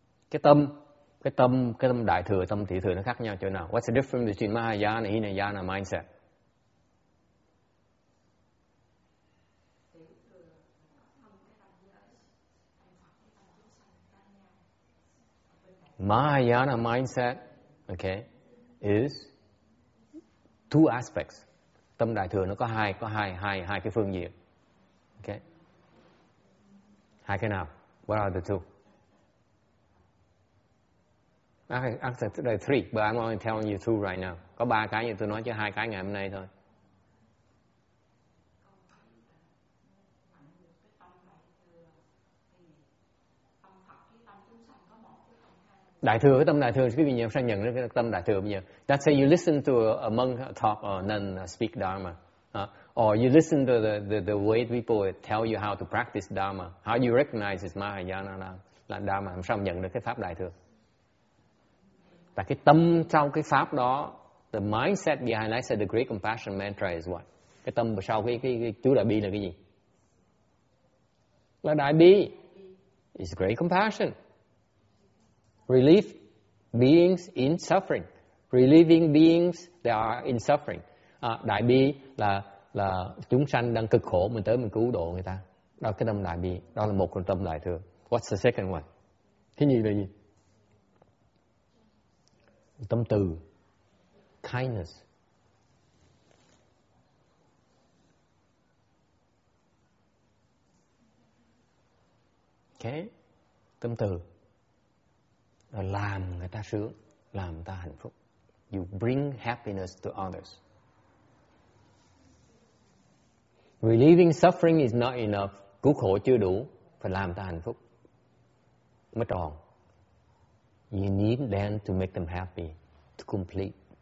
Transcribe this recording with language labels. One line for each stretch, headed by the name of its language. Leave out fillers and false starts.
Vietnamese: Cái tâm đại thừa, tâm tiểu thừa nó khác nhau chỗ nào?
English: What's the difference between Mahayana, Hinayana, mindset? Mahayana mindset, okay, is two aspects.
Vietnamese: Tâm đại thừa nó có hai cái phương diện.
English: Okay.
Vietnamese: Hai cái nào?
English: What are the two? Answer to the three, but I'm only telling you two right now.
Vietnamese: Có ba cái như tôi nói, chứ hai cái ngày hôm nay thôi. Đại thừa với tâm đại thừa, quý vị nhớ sang nhận cái tâm đại thừa bây giờ.
English: Let's say you listen to a monk talk or nun speak Dharma. Or you listen to the way people tell you how to practice Dharma. How you recognize it's Mahayana là Dharma.
Vietnamese: Làm sao nhận được cái pháp đại thừa? Và cái tâm sau cái pháp đó,
English: the mindset behind, I said the great compassion mantra is what?
Vietnamese: Cái tâm sau cái chú đại bi là cái gì? Là đại bi.
English: It's great compassion. Relieve beings in suffering. Relieving beings that are in suffering.
Vietnamese: Đại bi là chúng sanh đang cực khổ, mình tới mình cứu độ người ta. Đó cái tâm đại bi. Đó là một tâm đại thừa.
English: What's the second one?
Vietnamese: Thứ nhì là gì? Tâm từ, kindness.
English: Okay.
Vietnamese: Tâm từ là làm người ta sướng, làm người ta hạnh phúc.
English: You bring happiness to others. Relieving suffering is not enough.
Vietnamese: Cứu khổ chưa đủ, phải làm người ta hạnh phúc mới tròn.
English: You need them to make them happy. To complete.